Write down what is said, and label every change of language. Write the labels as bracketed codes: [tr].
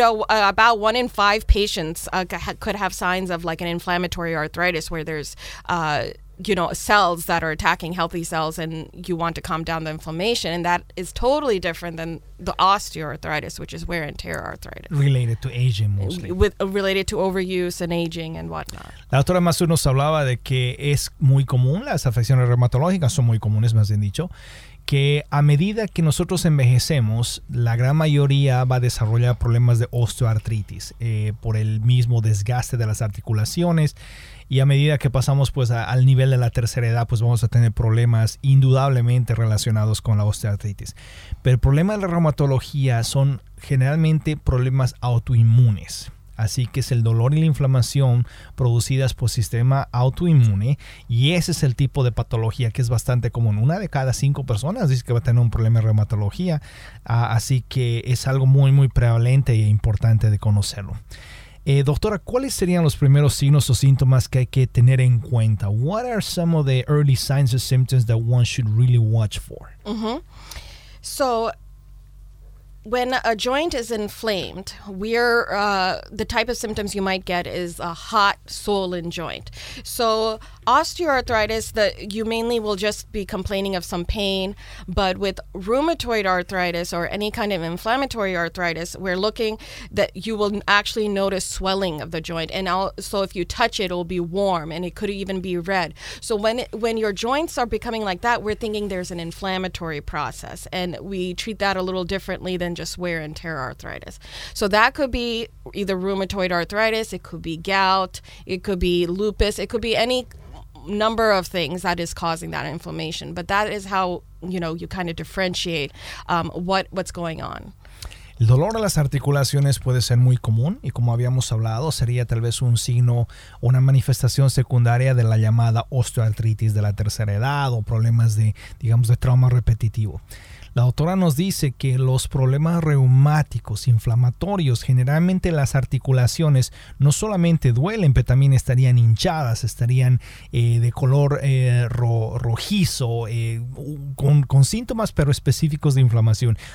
[en] About 1 in 5 patients could have signs of like an inflammatory arthritis, where there's, cells that are attacking healthy cells and you want to calm down the inflammation. And that is totally different than the osteoarthritis, which is wear and tear arthritis. Related to aging mostly. Related to overuse and aging and whatnot. [es] La doctora Masu nos hablaba de que es muy común, las afecciones reumatológicas son muy comunes, más bien dicho, que a medida que nosotros envejecemos, la gran mayoría va a desarrollar problemas de osteoartritis por el mismo desgaste de las articulaciones. Y a medida que pasamos al nivel de la tercera edad, pues vamos a tener problemas indudablemente relacionados con la osteoartritis. Pero el problema de la reumatología son generalmente problemas autoinmunes. Así que es el dolor y la inflamación producidas por sistema autoinmune, y ese es el tipo de patología que es bastante común. Una de cada 5 personas dice que va a tener un problema de reumatología, así que es algo muy, muy prevalente e importante de conocerlo. Doctora, ¿cuáles serían los primeros signos o síntomas que hay que tener en cuenta? [en] What are some of the early signs or symptoms that one should really watch for? When a joint is inflamed, the type of symptoms you might get is a hot, swollen joint. So osteoarthritis, you mainly will just be complaining of some pain. But with rheumatoid arthritis or any kind of inflammatory arthritis, we're looking that you will actually notice swelling of the joint. And also, if you touch it, it'll be warm and it could even be red. So when your joints are becoming like that, we're thinking there's an inflammatory process. And we treat that a little differently than just wear and tear arthritis. So that could be either rheumatoid arthritis, it could be gout, it could be lupus, it could be any number of things that is causing that inflammation. But that is how, you kind of differentiate what's going on. [es] El dolor a las articulaciones puede ser muy común, y como habíamos hablado, sería tal vez un signo o una manifestación secundaria de la llamada osteoartritis de la tercera edad o problemas de traumas repetitivos. La doctora nos dice que los problemas reumáticos, inflamatorios, generalmente las articulaciones no solamente duelen, pero también estarían hinchadas, estarían de color rojizo, con síntomas pero específicos de inflamación.